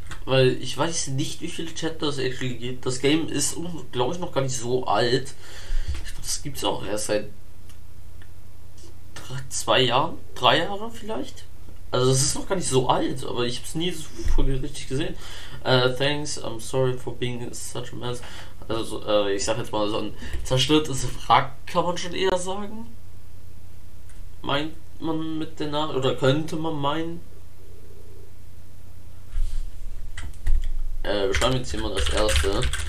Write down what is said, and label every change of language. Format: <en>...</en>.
<de>Weil ich weiß nicht, wie viele Chapter es actually gibt. Das Game ist, glaube ich, noch gar nicht so alt. Ich glaube, das gibt es auch erst seit 2 Jahren, 3 Jahren vielleicht. Also es ist noch gar nicht so alt, aber ich habe es nie so richtig gesehen.</de> <en>Thanks, I'm sorry for being such a mess.</en> <de>Also ich sag jetzt mal so ein zerstörtes Wrack, kann man schon eher sagen. Meint man mit der Nach oder könnte man meinen? Wir schreiben jetzt hier mal das erste.</de>